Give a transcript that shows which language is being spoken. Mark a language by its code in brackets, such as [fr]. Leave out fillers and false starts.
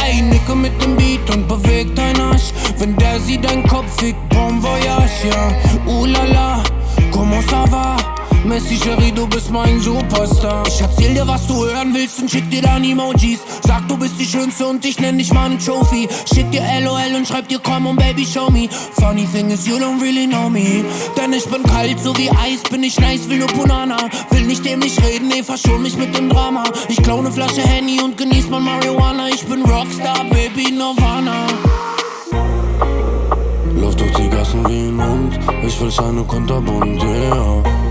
[de] Ey, nicke mit dem Beat und beweg dein Arsch. Wenn der sie dein Kopf fickt, bon voyage, ja. Ulala, [fr] como ça va? [de] Messi, Cherie, du bist mein Superstar. Ich erzähl dir, was du hören willst und schick dir dann Emojis. Sag, du bist die Schönste und ich nenn dich mal ein Trophy. Schick dir LOL und schreib dir, [en] come on, baby, show me. Funny thing is, you don't really know me. [de] Denn ich bin kalt, so wie Eis, bin ich nice, will nur Punana. Will nicht dämlich reden, nee, verschon mich mit dem Drama. Ich klau ne Flasche Henny und genieß mein Marihuana. Ich bin Rockstar, baby, Nirvana. Lauf durch die Gassen wie ein Hund. Ich will Scheine konterbunt, yeah.